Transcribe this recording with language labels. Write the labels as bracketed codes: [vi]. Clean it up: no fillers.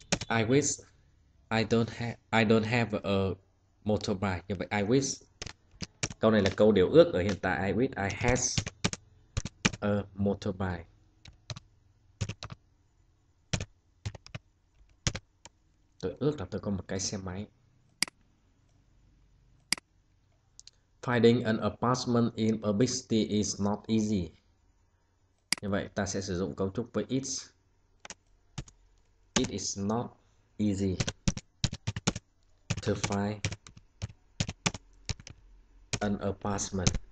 [en] I wish I don't have a motorbike. [vi] Như vậy I wish, câu này là câu điều ước ở hiện tại. [en] I wish I had a motorbike. [vi] Tôi ước là tôi có một cái xe máy. [en] Finding an apartment in a big city is not easy. [vi] Như vậy ta sẽ sử dụng cấu trúc với it's. [en] It is not easy to find an apartment.